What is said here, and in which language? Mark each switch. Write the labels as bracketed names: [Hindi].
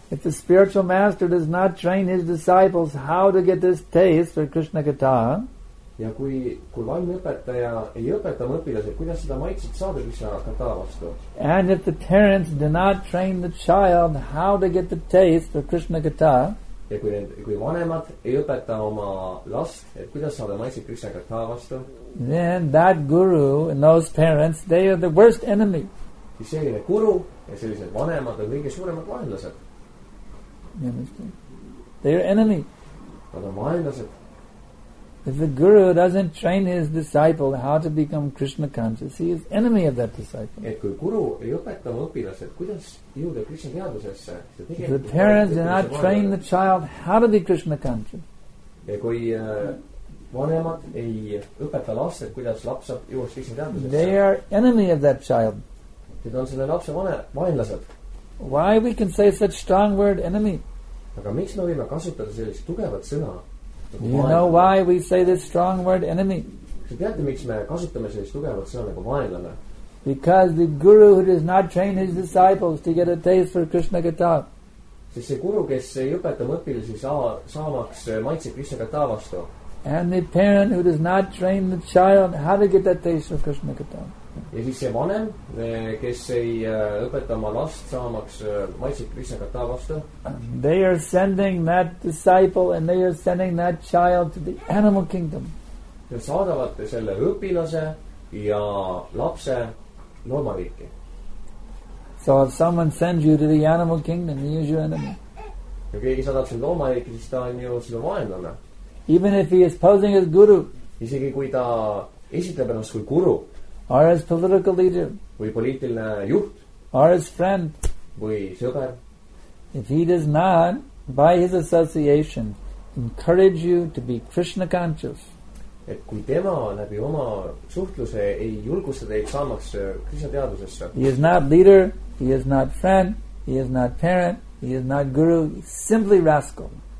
[English] If the spiritual master does not train his disciples how to get this taste for Krishna Katha, [Estonian] ja kui vaim õpetaja ei õpeta õpilased, kuidas seda maitset saada, mis sa kata vastu? [English] And if the parents do not train the child how to get the taste of Krishna Katha, [Estonian] ja kui vanemad ei õpeta oma last, et kuidas saada maitset Krishna Katha vastu, [English] then that guru and those parents, they are the worst enemy. [Estonian] Siis selline guru ja sellised vanemad on kõige suuremad vaenlased. [English] They are enemy. [Estonian] Nad on vaenlased. [English] If the guru doesn't train his disciple how to become Krishna conscious, he is enemy of that disciple. [Estonian] Et kui guru ei õpeta õpilased, kuidas jõuda Krishna teadusesse? [English] If the parents do not train the child how to be Krishna conscious. [Estonian] Ja kui vanemad ei õpeta lapsed, kuidas laps saab jõuda Krishna teadusesse? [English] They are enemy of that child. [Estonian] Need on selle lapse vaenlased. [English] Why we can say such strong word enemy? [Estonian] Aga miks me võime kasutada sellist tugevat sõna? [English] Do you know why we say this strong word enemy? [Estonian] Teate, miks me kasutame sellist tugevat sõna nagu vaenlane? [English] Because the guru who does not train his disciples to get a taste for Krishna Katha. [Estonian] Sest see guru, kes ei õpeta õpilasi saamaks maitse Krishna Katha vastu. [English] And the parent who does not train the child how to get that taste for Krishna Katha. [Estonian] Ja siis see vanem, kes ei õpeta oma last saamaks maitse Krishna Katha vastu. [English] They are sending that disciple and they are sending that child to the animal kingdom. [Estonian] Ja saadavate selle õpilase ja lapse loomariiki. [English] So if someone sends you to the animal kingdom, he is your enemy. [Estonian] Ja keegi saadab selle loomariiki, siis ta on ju sinu vaenlane. [English] Even if he is posing as guru. [Estonian] Isegi kui ta esitab ennast kui guru. [English] Or as political leader. [Estonian] Või poliitiline juht. [English] Or as friend. [Estonian] Või sõber. [English] If he does not, by his association, encourage you to be Krishna conscious. [Estonian] Et kui tema läbi oma suhtluse ei julgusta teid saamaks Krishna teadusesse. [English] He is not leader, he is not friend, he is not parent, he is not guru, simply rascal.